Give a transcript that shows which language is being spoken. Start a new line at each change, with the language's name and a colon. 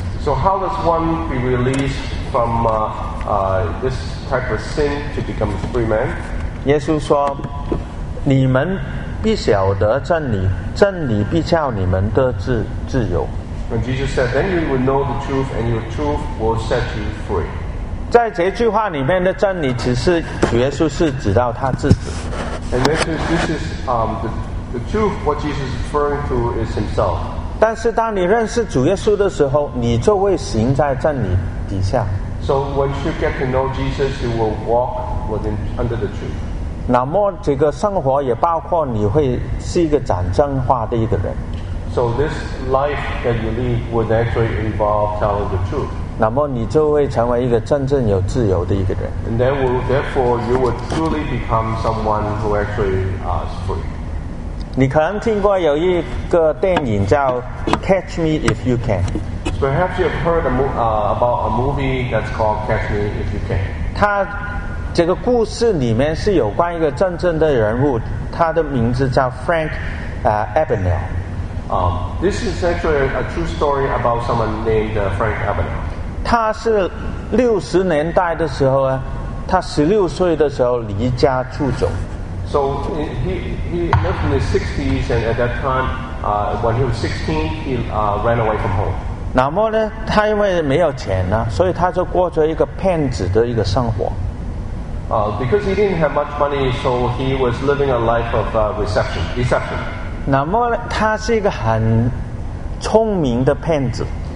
English: ？So how does one be released from this type of sin to become a free man？
Chinese: 耶稣说：“你们必晓得真理，真理必叫你们得自由。”
English: And Jesus said, "Then you will know the truth, and your truth will set you free."
Chinese: 在这句话里面的真理，其实主耶稣是指到他自己。
English: And this is the truth. What Jesus is referring to is himself.
Chinese: 但是当你认识主耶稣的时候，你就会行在真理底下。
English: So once you get to know Jesus, you will walk under the truth.
Chinese: 那么这个生活也包括你会是一个讲真话的一个人。
English: So this life that you lead would actually involve telling the truth.
Chinese: 那么你就会成为一个真正有自由的一个人。
English: And then, therefore, you would truly become someone who actually is free.
Chinese: 你可能听过有一个电影叫《Catch Me If You Can》。
English: Perhaps you have heard about a movie that's called Catch Me If You Can.
Chinese: 它这个故事里面是有关一个真正的人物，他的名字叫 Frank Abagnale.
English: This is actually a true story about someone named Frank Abagnale.
Chinese: 他是六十年代的时候啊，他十六岁的时候离家出走。
English: So he lived in the '60s, and at that time, when he was 16, he ran away from home.
Chinese: 那么呢，他因为没有钱呢，所以他就过着一个骗子的一个生活。
English: Because he didn't have much money, so he was living a life of deception.
Chinese: 那么呢，他是一个很聪明的骗子。